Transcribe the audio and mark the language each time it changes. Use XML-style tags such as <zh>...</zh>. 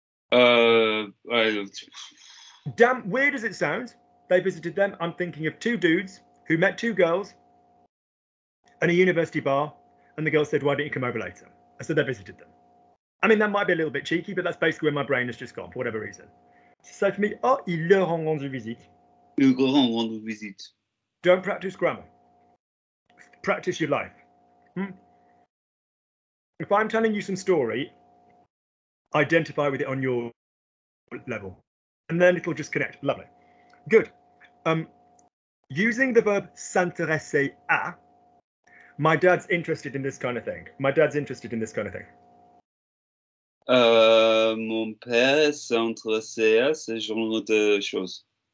<en>Damn, weird as it sounds, they visited them. I'm thinking of two dudes who met two girls in a university bar, and the girl said, why don't you come over later? And so they visited them. I mean, that might be a little bit cheeky, but that's basically where my brain has just gone, for whatever reason. So for me, oh,</en> <fr>ils leur ont rendu visite. Ils leur ont rendu visite.</fr> <en>Don't practice grammar. Practice your life. If I'm telling you some story, identify with it on your level. And then it'll just connect. Lovely. Good. Using the verb s'intéresser à, my dad's interested in this kind of thing. My dad's interested in this kind of thing.</en> <fr>Mon père s'intéresse à ce genre de choses.</fr>